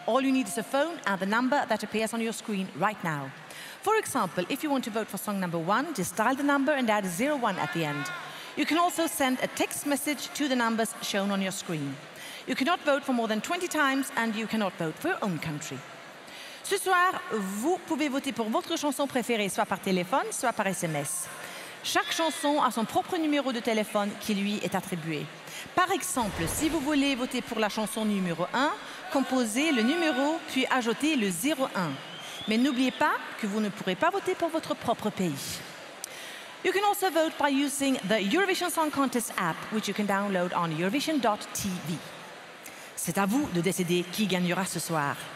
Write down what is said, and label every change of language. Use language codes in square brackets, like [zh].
[en] All you need is a phone and the number that appears on your screen right now. For example, if you want to vote for song number one, just dial the number and add 01 at the end. You can also send a text message to the numbers shown on your screen. You cannot vote for more than 20 times and you cannot vote for your own country. [fr] Ce soir, vous pouvez voter pour votre chanson préférée soit par téléphone, soit par SMS. Chaque chanson a son propre numéro de téléphone qui lui est attribué. Par exemple, si vous voulez voter pour la chanson numéro 1, composez le numéro puis ajoutez le 01. Mais n'oubliez pas que vous ne pourrez pas voter pour votre propre pays. [en] You can also vote by using the Eurovision Song Contest app, which you can download on Eurovision.tv. [fr] C'est à vous de décider qui gagnera ce soir.